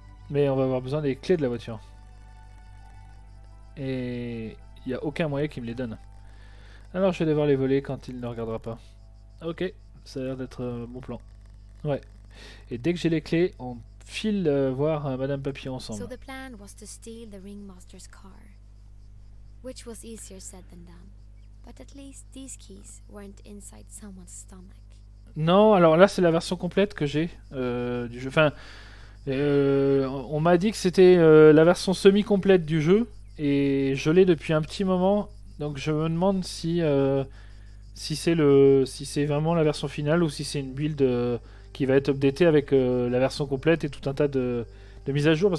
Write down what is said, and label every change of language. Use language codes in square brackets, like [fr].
[fr] Mais on va avoir besoin des clés de la voiture. Et il n'y a aucun moyen qu'il me les donne. Alors je vais devoir les voler quand il ne regardera pas. Ok, ça a l'air d'être mon plan. Ouais. Et dès que j'ai les clés, on file voir Madame Papillon ensemble. Donc le plan était de voler la [en] Ring Master's car. Which was easier said than done. But at least these keys weren't inside someone's stomach. [fr] Non, alors là c'est la version complète que j'ai du jeu. Enfin, on m'a dit que c'était la version semi-complète du jeu. Et je l'ai depuis un petit moment, donc je me demande si si c'est vraiment la version finale ou si c'est une build qui va être updatée avec la version complète et tout un tas de mises à jour.